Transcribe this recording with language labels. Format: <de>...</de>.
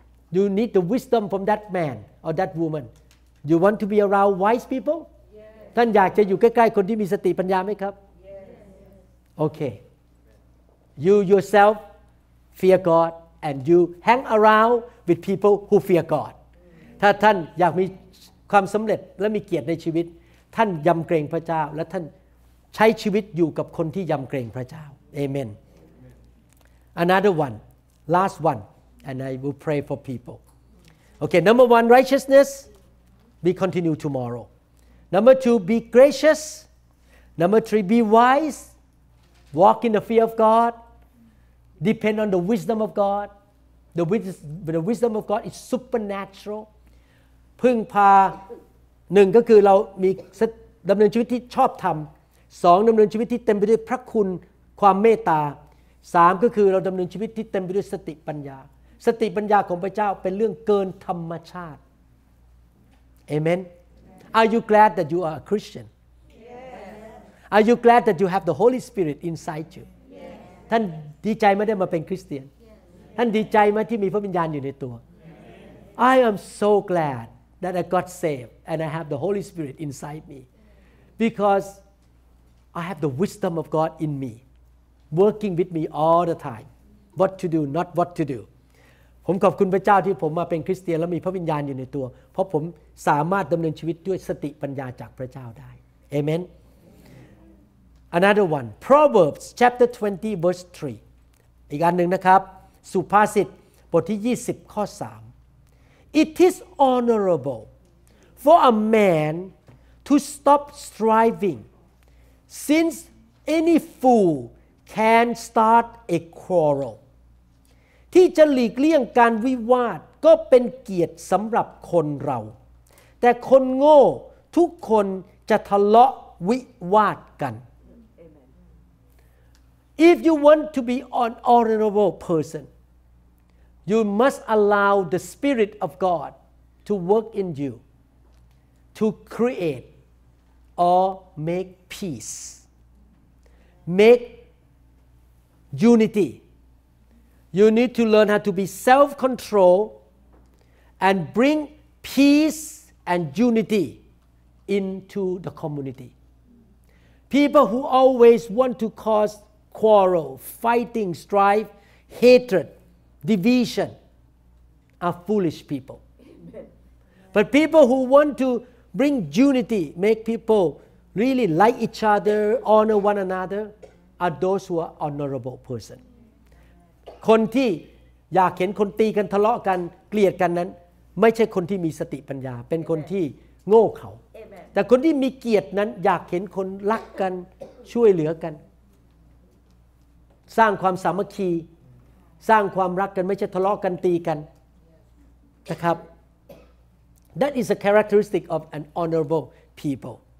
<en>You need the wisdom from that man or that woman. You want to be around wise people? Yes.</en> <th>ท่านอยากจะอยู่ใกล้ๆคนที่มีสติปัญญาไหมครับ</th> <en>Yes. Okay. You yourself fear God and you hang around with people who fear God.</en> <th>ถ้าท่านอยากมีความสำเร็จและมีเกียรติในชีวิตท่านยำเกรงพระเจ้าและท่านใช้ชีวิตอยู่กับคนที่ยำเกรงพระเจ้า Amen.</th> <en>Another one, last one, and I will pray for people. Okay, number one, righteousness. We continue tomorrow. Number two, be gracious. Number three, be wise. Walk in the fear of God. depend on the wisdom of God. The wisdom of God is supernatural.</en> <th>พึ่งพาหนึ่งก็คือเรามีดำเนินชีวิตที่ชอบธรรมสองดำเนินชีวิตที่เต็มไปด้วยพระคุณความเมตตาสามก็คือเราดำเนินชีวิตที่เต็มไปด้วยสติปัญญาสติปัญญาของพระเจ้าเป็นเรื่องเกินธรรมชาติเอเมน</th> <en>Are you glad that you are a Christian? Yes. Are you glad that you have the Holy Spirit inside you? Yes.</en> <th>ท่านดีใจไหมได้มาเป็นคริสเตียน</th> <en>Yes.</en> <th>ท่านดีใจไหมที่มีพระวิญญาณอยู่ในตัว</th> <en>Yes. I am so glad that I got saved and I have the Holy Spirit inside me becauseI have the wisdom of God in me, working with me all the time. What to do, not what to do.</en> <th>ผมขอบคุณพระเจ้าที่ผมมาเป็นคริสเตียนแล้วมีพระวิญญาณอยู่ในตัวเพราะผมสามารถดำเนินชีวิตด้วยสติปัญญาจากพระเจ้าได้ Amen.</th> <en>Another one, Proverbs chapter 20 verse 3.</en> <th>อีกอันหนึ่งนะครับสุภาษิตบทที่20ข้อ3</th> <en>It is honorable for a man to stop strivingSince any fool can start a quarrel,</en> <th>ที่จะหลีกเลี่ยงการวิวาทก็เป็นเกียรติสำหรับคนเราแต่คนโง่ทุกคนจะทะเลาะวิวาทกัน</th> <en>If you want to be an honorable person, you must allow the Spirit of God to work in you to createor make peace, make unity. You need to learn how to be self-control and bring peace and unity into the community. People who always want to cause quarrel, fighting, strife, hatred, division are foolish people. But people who want to bring unity, make people really like each other, honor one another, are those who are honorable person.</en> <th>คนที่อยากเห็นคนตีกันทะเลาะกันเกลียดกันนั้นไม่ใช่คนที่มีสติปัญญาเป็นคนที่โง่เขลาแต่คนที่มีเกียรตินั้นอยากเห็นคนรักกันช่วยเหลือกันสร้างความสามัคคีสร้างความรักกันไม่ใช่ทะเลาะกันตีกันนะครับ</th> <en>That is a characteristic of an honorable people.</en>